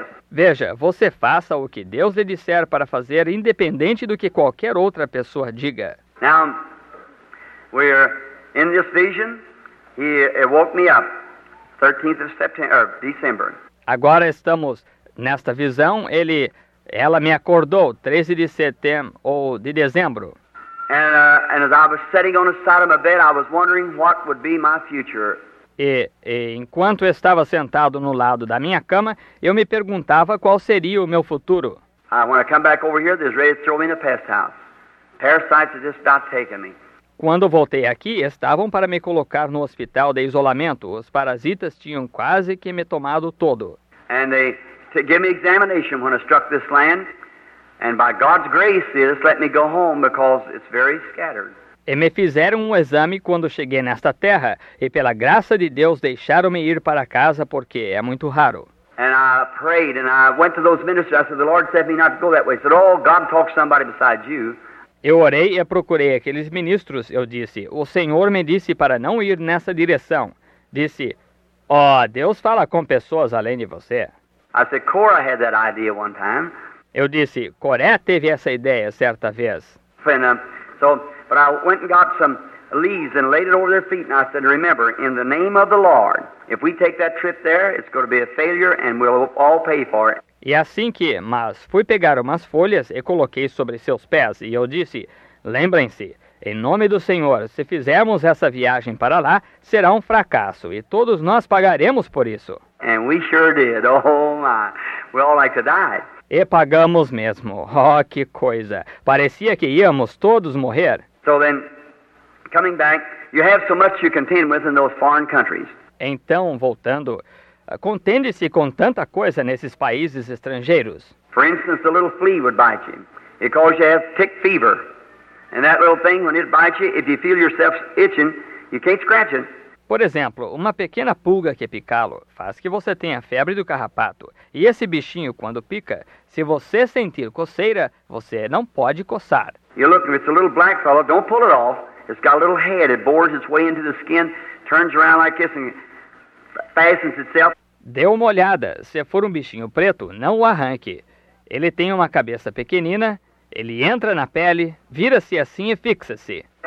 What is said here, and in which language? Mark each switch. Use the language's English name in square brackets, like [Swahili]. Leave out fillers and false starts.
[Portuguese] Veja, você faça o que Deus lhe disser para fazer, independente do que qualquer outra pessoa diga. [English] Now, we're in this vision, he woke me up. 13th of September, December. [Portuguese] Agora estamos nesta visão, ela me acordou 13 de setembro ou de dezembro. [English] And as I was sitting on the side of my bed, I was wondering what would be my future. [Portuguese] E enquanto estava sentado no lado da minha cama, eu me perguntava qual seria o meu futuro. [English] When I come back over here, they're ready to throw me in a pest house. Parasites have just got taken me. [Portuguese] Quando voltei aqui, estavam para me colocar no hospital de isolamento. Os parasitas tinham quase que me tomado todo. [English] And they gave me examination when I struck this land. And by God's grace, they just let me go home because it's very scattered. [Portuguese] E me fizeram um exame quando cheguei nesta terra. E pela graça de Deus, deixaram-me ir para casa porque é muito raro. [English] And I prayed and I went to those ministers. I said, the Lord said me not to go that way. He said, oh, God talks to somebody besides you. [Portuguese] Eu orei e procurei aqueles ministros. Eu disse, o Senhor me disse para não ir nessa direção. Disse, ó, Deus fala com pessoas além de você. [English] I said, Cora had that idea one time. [Portuguese] Eu disse, Coré teve essa ideia certa vez. [English] But I went and got some leaves and laid it over their feet. And I said, remember, in the name of the Lord, if we take that trip there, it's going to be a failure and we'll all pay for it. [Portuguese] E assim que, mas fui pegar umas folhas e coloquei sobre seus pés, e eu disse, lembrem-se, em nome do Senhor, se fizermos essa viagem para lá, será um fracasso, e todos nós pagaremos por isso. [English] And we sure did. Oh my. We all like to die. [Portuguese] E pagamos mesmo. Oh, que coisa. Parecia que íamos todos morrer. [English] So then, coming back, you have so much to contend with in those foreign countries. [Portuguese] Então, voltando, contende-se com tanta coisa nesses países estrangeiros. [English] For instance, a little flea would bite you. It causes you to have tick fever. And that little thing, when it bites you, if you feel yourself itching, you can't scratch it. [Portuguese] Por exemplo, uma pequena pulga que picá-lo faz que você tenha febre do carrapato. E esse bichinho, quando pica, se você sentir coceira, você não pode coçar. [English] You're looking, it's a little black fellow. Don't pull it off. It's got a little head. It bores its way into the skin, turns around like this, and fastens itself. [Portuguese] Dê uma olhada. Se for um bichinho preto, não o arranque. Ele tem uma cabeça pequenina. Ele entra na pele, vira-se assim e fixa-se.